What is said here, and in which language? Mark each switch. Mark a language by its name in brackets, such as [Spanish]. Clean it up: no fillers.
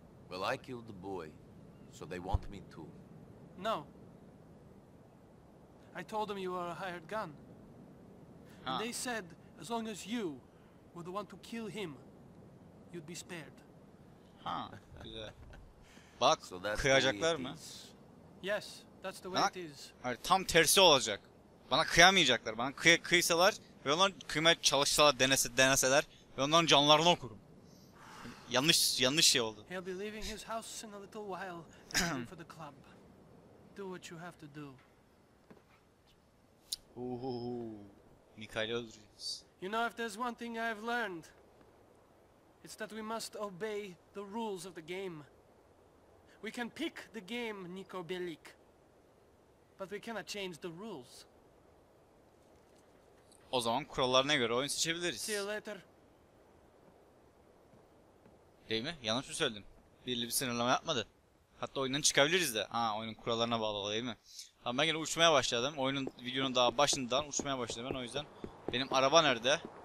[English] Well, I killed the boy, so they want me to. No. I told them you were a hired gun. Ah. And they said as long as you were the one to kill him, you'd be spared. Huh. [Turkish] Bak, [English] so that's [Turkish] kıyacaklar mı? [English] Yes, that's the way it is. [Turkish] Hayır, tam tersi olacak. Bana kıyamayacaklar. Bana kıysalar ve onlar kıymaya çalışsalar, deneseler ve onların canlarını okurum. Yanlış şey oldu. [English] He'll be leaving his house in a little while for the club. Do what you have to do. Ooh, Mikhail Rodriguez. You know, if there's one thing I've learned, it's that we must obey the rules of the game. We can pick the game, Niko Bellic, but we cannot change the rules. [Turkish] O zaman kurallarına göre oyun seçebiliriz. [English] See you later. [Turkish] Değil mi? Yanlış mı söyledim? Birli bir sınırlama yapmadı. Hatta oyundan çıkabiliriz de. Ha, oyunun kurallarına bağlı değil mi? Tamam, ben yine uçmaya başladım. Oyunun, videonun daha başından uçmaya başladım ben, o yüzden. Benim araba nerede?